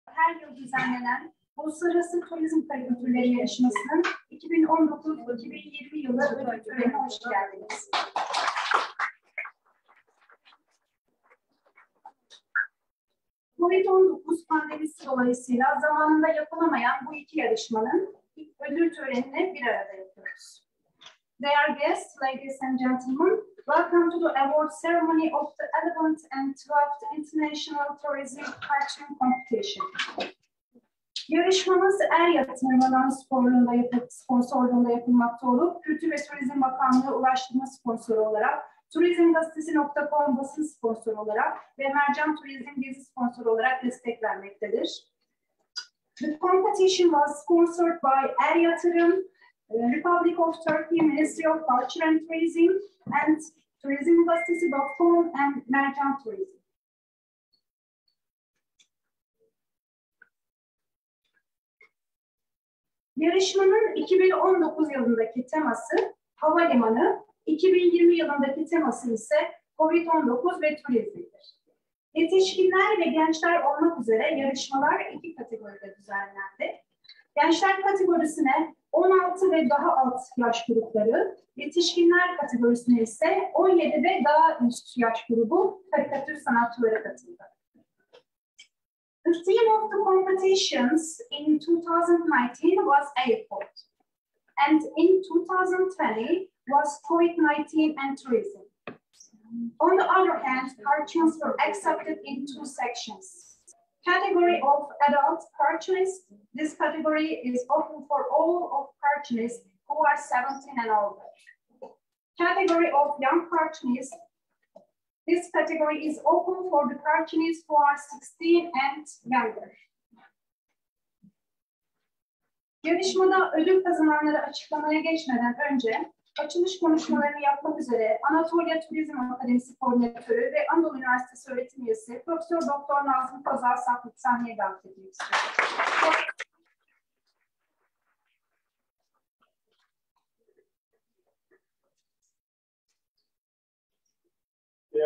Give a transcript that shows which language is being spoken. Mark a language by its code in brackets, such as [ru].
[tr] her yıl düzenlenen Uluslararası Turizm Karikatürleri Yarışması'nın 2019-2020 yılı ödülüne hoş geldiniz. COVID-19 pandemisi dolayısıyla zamanında yapılamayan bu iki yarışmanın ödül törenini bir arada yapıyoruz. [en] Dear guests, ladies and gentlemen, welcome to the award ceremony of the 11th and 12th International Tourism Cartoon Competition. [tr] Yarışmamız er yatırmadan sponsorluğunda yapılmakta olup, Kültür ve Turizm Bakanlığı Ulaştırma Sponsoru olarak, turizmgazetesi.com basın sponsoru olarak ve Mercan Turizm Gezi Sponsoru olarak destek vermektedir. [en] The competition was sponsored by Er Yatırım, Republic of Turkey, Ministry of Culture and Tourism, and turizmgazetesi.com and Mercan Turizm. [tr] Yarışmanın 2019 yılındaki teması havalimanı, 2020 yılındaki teması ise COVID-19 ve turizmdir. Yetişkinler ve gençler olmak üzere yarışmalar iki kategoride düzenlendi. Gençler kategorisine 16 ve daha alt yaş grupları, yetişkinler kategorisine ise 17 ve daha üst yaş grubu karikatür sanatçıları katıldı. [en] The theme of the competitions in 2019 was airport, and in 2020 was COVID-19 and tourism. On the other hand, cartoons were accepted in two sections. Category of adult cartoonists, this category is open for all of cartoonists who are 17 and older. Category of young cartoonists, this category is open for the cartoonists who are 16 and younger. [tr] Yarışmada ödül kazananları açıklamaya geçmeden önce, açılış konuşmalarını yapmak üzere Anatolia Turizm Akademisi Koordinatörü ve Anadolu Üniversitesi Öğretim Üyesi Profesör Doktor Nazım Pazar Saklık sahneye davet etmek istiyorum.